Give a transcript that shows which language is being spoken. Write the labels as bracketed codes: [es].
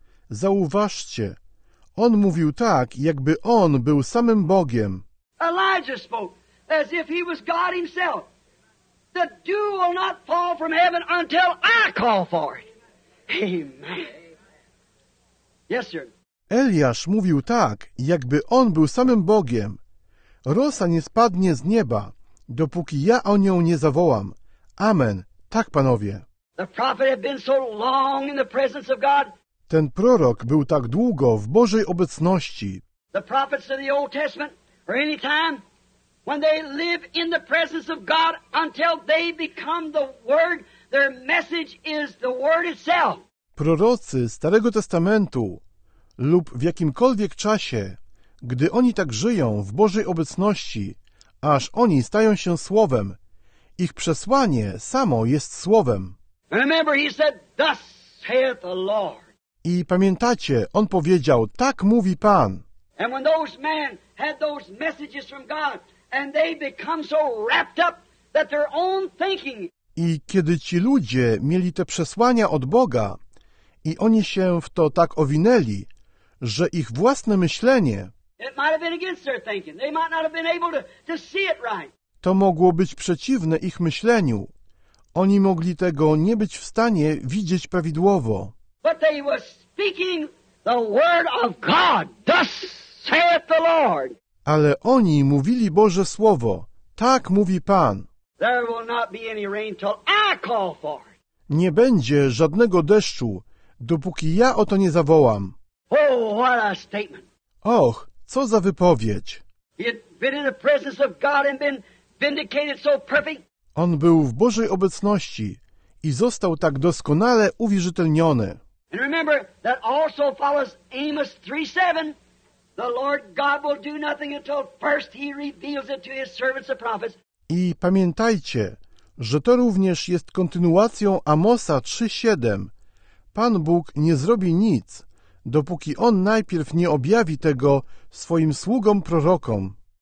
[pl] Zauważcie, on mówił tak, jakby on był samym Bogiem. [en] Elijah spoke as if he was God himself. The dew will not fall from heaven until I call for it. Amen. Yes, sir. [pl] Eliasz mówił tak, jakby on był samym Bogiem. Rosa nie spadnie z nieba, dopóki ja o nią nie zawołam. Amen. Tak, panowie. [en] The prophet had been so long in the presence of God. [pl] Ten prorok był tak długo w Bożej obecności. [en] The prophets of the Old Testament, or any time, when they live in the presence of God until they become the Word, their message is the Word itself. [pl] Prorocy Starego Testamentu lub w jakimkolwiek czasie, gdy oni tak żyją w Bożej obecności, aż oni stają się Słowem, ich przesłanie samo jest Słowem. [en] Remember, he said, thus saith the Lord. [pl] I pamiętacie, on powiedział, tak mówi Pan. [en] And when those men had those messages from God, and they become so wrapped up that their own thinking. [pl] I kiedy ci ludzie mieli te przesłania od Boga, i oni się w to tak owinęli, że ich własne myślenie. [en] It might have been against their thinking. They might not have been able to see it right. [pl] To mogło być przeciwne ich myśleniu. Oni mogli tego nie być w stanie widzieć prawidłowo. [en] But they were speaking the word of God. Thus saith the Lord. [pl] Ale oni mówili Boże Słowo. Tak mówi Pan. [en] There will not be any rain till I call for it. [pl] Nie będzie żadnego deszczu, dopóki ja o to nie zawołam. [en] Oh, what a statement. [pl] Och, co za wypowiedź. [en] He had been in the presence of God and been vindicated so perfect. [pl] On był w Bożej obecności i został tak doskonale uwierzytelniony. [en] And remember, that also follows Amos 3:7. The Lord God will do nothing until first he reveals it to his servants the prophets. [pl] I pamiętajcie, że to również jest kontynuacją Amosa 3:7. Pan Bóg nie zrobi nic, dopóki On najpierw nie objawi tego swoim sługom prorokom.